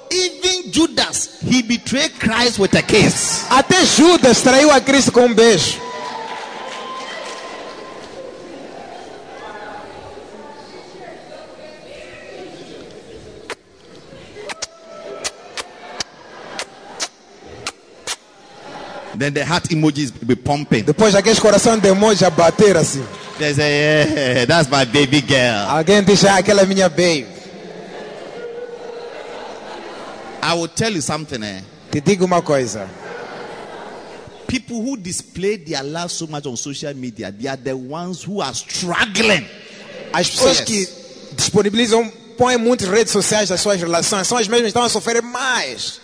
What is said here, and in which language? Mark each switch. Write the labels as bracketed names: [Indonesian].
[English] Even Judas, he betrayed Christ with a kiss. [Portuguese] Até Judas traiu a Cristo com um beijo. [English] Then the heart emojis be pumping. [Portuguese] Depois aquele coração de emoji a bater assim. [English] They say, yeah, that's my baby girl. [Portuguese] Alguém diz, aquela é minha babe. [English] I will tell you something, eh? [Portuguese] Te digo uma coisa. [English] People who display their love so much on social media, they are the ones who are struggling. [Portuguese] As pessoas que disponibilizam, põem muito redes sociais das suas relações, são as mesmas que estão a sofrer mais.